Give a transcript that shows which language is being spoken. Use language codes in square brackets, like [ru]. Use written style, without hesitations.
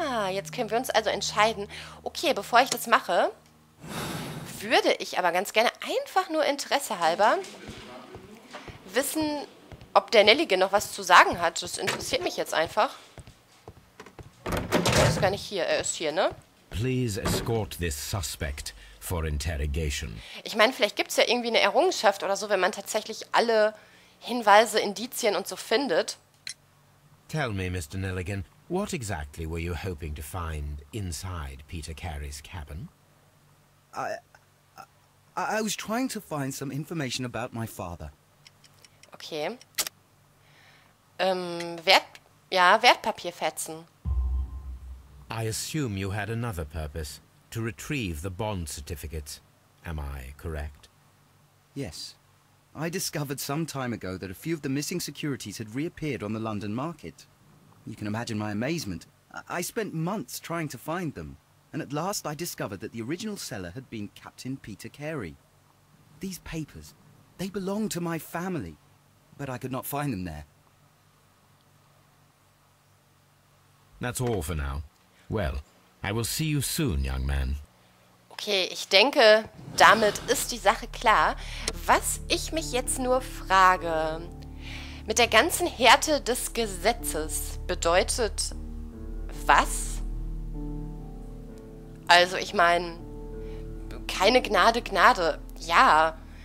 [de] jetzt können wir uns also entscheiden. Okay, bevor ich das mache... würde ich aber ganz gerne, einfach nur Interesse halber, wissen, ob der Neeligan noch was zu sagen hat. Das interessiert mich jetzt einfach. Er ist gar nicht hier. Er ist hier, ne? [en] Please escort this suspect for interrogation. [de] Ich meine, vielleicht gibt es ja irgendwie eine Errungenschaft oder so, wenn man tatsächlich alle Hinweise, Indizien und so findet. [en] Tell me, Mr. Neeligan, what exactly were you hoping to find inside Peter Carey's cabin? I was trying to find some information about my father. [de] Okay. Wertpapierfetzen. [en] I assume you had another purpose, to retrieve the bond certificates. Am I correct? Yes. I discovered some time ago that a few of the missing securities had reappeared on the London market. You can imagine my amazement. I spent months trying to find them. And at last I discovered that the original seller had been Captain Peter Carey. These papers, they belong to my family, but I could not find them there. That's all for now. Well, I will see you soon, young man. [de] Okay, ich denke, damit ist die Sache klar. Was ich mich jetzt nur frage, mit der ganzen Härte des Gesetzes bedeutet was? Also ich meine, keine Gnade, Gnade, ja.